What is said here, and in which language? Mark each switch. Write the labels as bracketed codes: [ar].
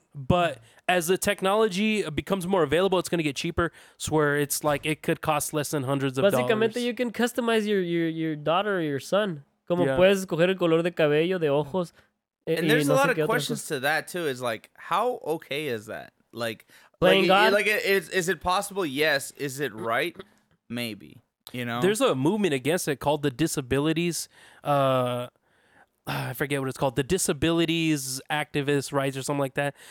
[en] But as the technology becomes more available, it's going to get cheaper, so where it's like it could cost less than hundreds of dollars. Básicamente you can customize your daughter or your son. [es] Como puedes escoger el color de cabello, de ojos. [en] And there's a lot of questions to that too, is like how okay is that? Like playing God? Like is it possible? Yes. Is it right? Maybe. You know? There's a movement against it called the Disabilities. I forget what it's called. The Disabilities Activist Rights or something like that.